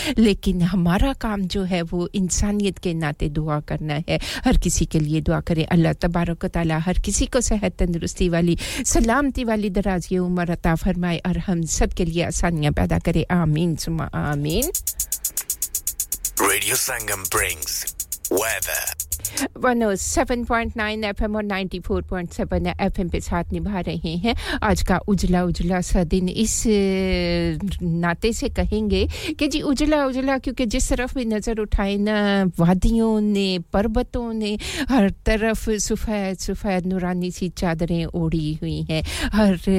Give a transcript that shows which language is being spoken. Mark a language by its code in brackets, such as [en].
[hi] लेकिन हमारा काम जो है वो इंसानियत के नाते दुआ करना है हर किसी के लिए दुआ करें अल्लाह तबारक व तआला हर किसी को सेहत तंदुरुस्ती वाली सलामती वाली दराज़ उम्र अता फरमाए और हम सब के लिए आसानियाँ पैदा करें आमीन Amin. [en] Radio Sangam brings weather. [hi] 107.9 FM और 94.7 FM पे साथ निभा रहे हैं आज का उजला उजला सा दिन इस नाते से कहेंगे कि जी उजला उजला क्योंकि जिस तरफ भी नज़र उठाए ना वादियों ने पर्वतों ने हर तरफ सफेद सफेद नूरानी सी चादरें ओढ़ी हुई हैं हर